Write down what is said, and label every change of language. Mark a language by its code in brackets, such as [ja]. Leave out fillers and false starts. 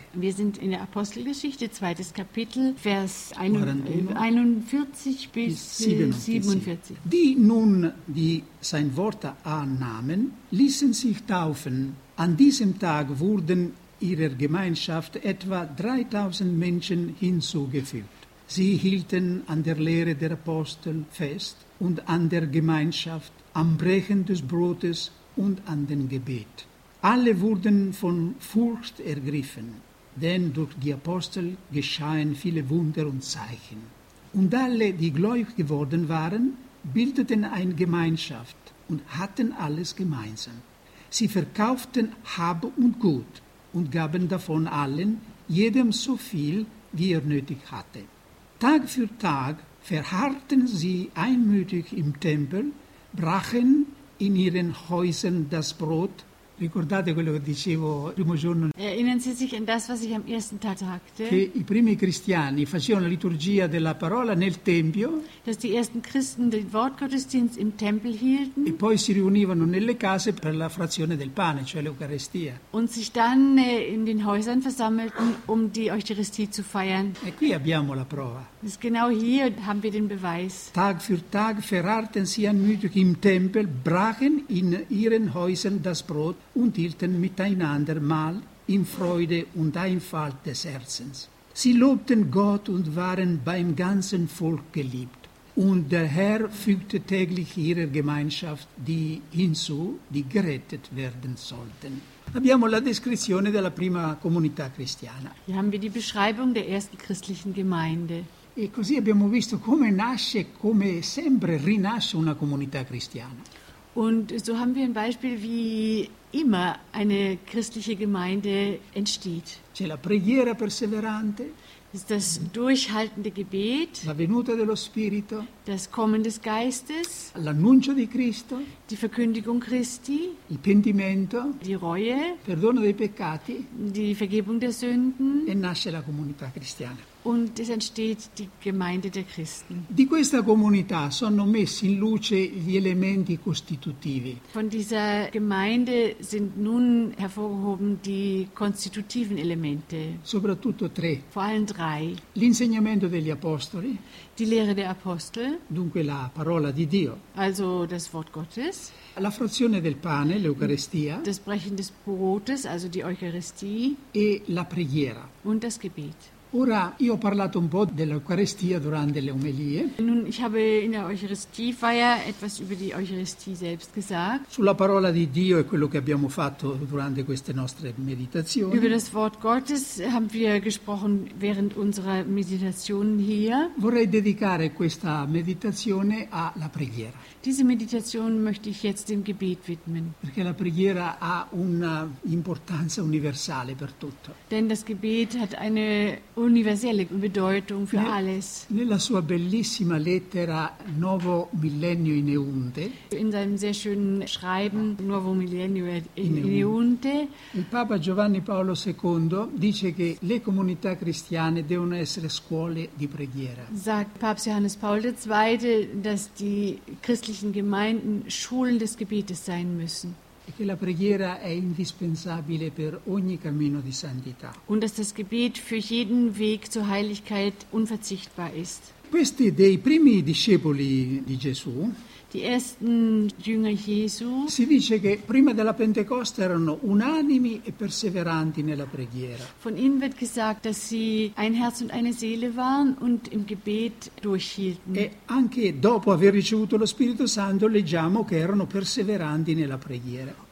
[de] Wir sind in der Apostelgeschichte, zweites Kapitel, Vers 41 bis 47. Die nun, die sein Wort annahmen, ließen sich taufen. An diesem Tag wurden ihrer Gemeinschaft etwa 3000 Menschen hinzugefügt. Sie hielten an der Lehre der Apostel fest und an der Gemeinschaft, am Brechen des Brotes und an dem Gebet. Alle wurden von Furcht ergriffen, denn durch die Apostel geschahen viele Wunder und Zeichen. Und alle, die gläubig geworden waren, bildeten eine Gemeinschaft und hatten alles gemeinsam. Sie verkauften Hab und Gut, und gaben davon allen, jedem so viel, wie er nötig hatte. Tag für Tag verharrten sie einmütig im Tempel, brachen in ihren Häusern das Brot. [it] Ricordate quello che dicevo primo giorno? [de] Erinnern Sie sich an das, was ich am ersten Tag sagte? [it] Che i primi cristiani facevano la liturgia della parola nel tempio. [de] Dass die ersten Christen den Wortgottesdienst im Tempel hielten. [it] E poi si riunivano nelle case per la frazione del pane, cioè l'Eucaristia. [de] Und sich dann in den Häusern versammelten, um die Eucharistie zu feiern. [it] E qui abbiamo la prova. [de] Das ist genau hier haben wir den Beweis. Tag für Tag verharrten sie anmütig im Tempel, brachen in ihren Häusern das Brot und hielten miteinander Mahl in Freude und Einfalt des Herzens. Sie lobten Gott und waren beim ganzen Volk geliebt. Und der Herr fügte täglich ihrer Gemeinschaft die hinzu, die gerettet werden sollten. [it] Abbiamo la descrizione della prima comunità cristiana. [de] Hier haben wir die Beschreibung der ersten christlichen Gemeinde. [it] E così abbiamo visto come nasce, come sempre rinasce una comunità cristiana. [de] Und so haben wir ein Beispiel, wie immer eine christliche Gemeinde entsteht. [it] C'è la preghiera perseverante. [de] Ist das durchhaltende Gebet. [it] La venuta dello Spirito. [de] Das Kommen des Geistes. [it] L'annuncio di Cristo. [de] Die Verkündigung Christi. [it] Il pentimento. [de] Die Reue. [it] Perdono dei peccati. [de] Die Vergebung der Sünden. [it] E nasce la comunità cristiana. [de] Und es entsteht die Gemeinde der Christen. [it] Di questa comunità sono messi in luce gli elementi costitutivi. [de] Von dieser Gemeinde sind nun hervorgehoben die konstitutiven Elemente. [it] Soprattutto tre. [de] Vor allem drei. [it] L'insegnamento degli apostoli. [de] Die Lehre der Apostel. [it] Dunque la parola di Dio. [de] Also das Wort Gottes. [it] La frazione del pane, l'Eucaristia. [de] Das Brechen des Brotes, also die Eucharistie. [it] E la preghiera. [de] Und das Gebet. [it] Ora io ho parlato un po' dell'Eucaristia durante le omelie. [de] Nun, ich habe in der Eucharistiefeier etwas über die Eucharistie selbst gesagt. [it] Sulla parola di Dio e quello che abbiamo fatto durante queste nostre meditazioni. [de] Über das Wort Gottes haben wir gesprochen während unserer Meditationen hier. [it] Vorrei dedicare questa meditazione alla preghiera. [de] Diese Meditation möchte ich jetzt dem Gebet widmen. [it] Perché la preghiera ha una importanza universale per tutto. [de] Denn das Gebet hat eine universelle Bedeutung für alles. [it] Nella sua bellissima lettera Novo Millennio in Eunte, [de] in seinem sehr schönen Schreiben Novo Millennio in Eunte, [it] il Papa Giovanni Paolo II dice che le comunità cristiane devono essere scuole di preghiera. [de] Sagt Papst Johannes Paul II, dass die christlichen Gemeinden Schulen des Gebetes sein müssen. [it] E che la preghiera è indispensabile per ogni cammino di santità. [de] Und dass das Gebet für jeden Weg zur Heiligkeit unverzichtbar ist. [it] Questi dei primi discepoli di Gesù. [de] Die ersten Jünger Jesu. [it] Si dice che prima della Pentecoste erano unanimi e perseveranti nella preghiera. [de] Von ihnen wird gesagt, dass sie ein Herz und eine Seele waren und im Gebet durchhielten. [it] E anche dopo aver ricevuto lo Spirito Santo leggiamo che erano perseveranti nella preghiera.